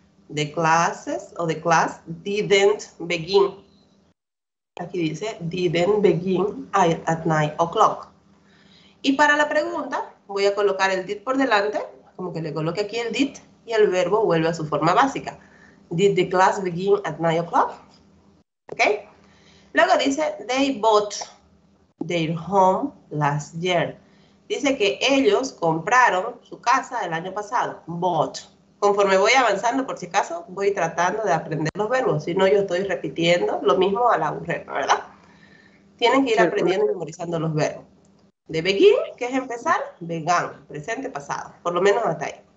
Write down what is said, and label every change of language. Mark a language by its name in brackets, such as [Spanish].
[English] The classes o the class didn't begin. [Spanish] Aquí dice [English] didn't begin at 9:00. [Spanish] Y para la pregunta, voy a colocar el did por delante, como que le coloque aquí el did, y el verbo vuelve a su forma básica. [English] Did the class begin at 9:00? ¿Ok? [Spanish] Luego dice, [English] they bought their home last year. [Spanish] Dice que ellos compraron su casa el año pasado. Bought. Conforme voy avanzando, por si acaso, voy tratando de aprender los verbos. Si no, yo estoy repitiendo lo mismo al aburrir, ¿verdad? Tienen que ir aprendiendo y memorizando los verbos. De begin, que es empezar, began, presente, pasado. Por lo menos hasta ahí.